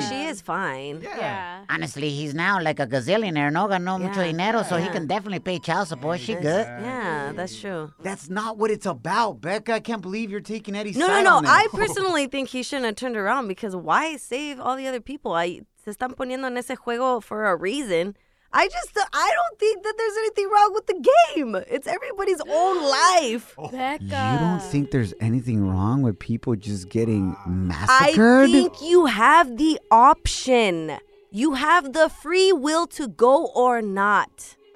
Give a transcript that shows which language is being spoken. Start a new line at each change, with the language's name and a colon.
English: Hey, she is fine. Yeah. Honestly, he's now like a gazillionaire.
Spanish: No ganó mucho dinero,
English: so he can definitely pay child support. She good. Yeah, that's true. That's not what it's about, Becca. I can't believe you're taking Eddie's side. No. I personally think he shouldn't have turned around, because why save all the other people?
Spanish: Se están poniendo en ese juego
English: for a reason. I don't think that there's anything wrong with the game. It's everybody's own life. Becca. You don't think there's anything wrong with people just getting massacred? I think you have the option. You have the free will to go or not.